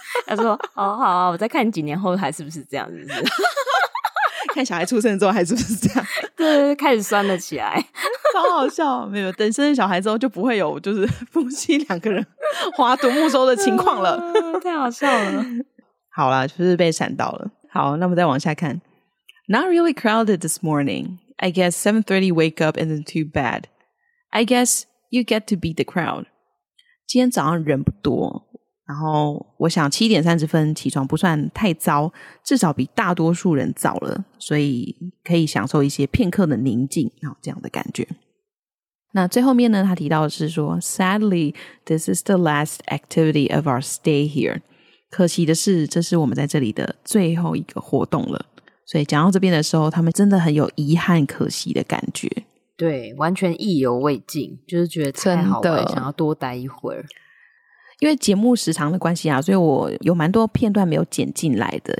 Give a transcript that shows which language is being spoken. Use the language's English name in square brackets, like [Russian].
[Chinese] 她说哦，好啊，我再看你几年后还是不是这样子。看小孩出生之后还是不是这样。对，开始酸了起来。超好笑。没有，等生了小孩之后就不会有就是夫妻两个人划独木舟的情况了。太好笑了。好啦，就是被闪到了。好，那我们再往下看。 [English] Not really crowded this morning. I guess 7:30 wake up isn't too bad. I guess you get to beat the crowd. [Chinese] 今天早上人不多，然后我想7:30起床不算太糟，至少比大多数人早了，所以可以享受一些片刻的宁静，然后这样的感觉。那最后面呢，他提到的是说 [English] Sadly, this is the last activity of our stay here. [Chinese] 可惜的是，这是我们在这里的最后一个活动了。所以讲到这边的时候，他们真的很有遗憾可惜的感觉。对，完全意犹未尽，就是觉得太好玩，真的想要多待一会儿。因为节目时长的关系啊，所以我有蛮多片段没有剪进来的。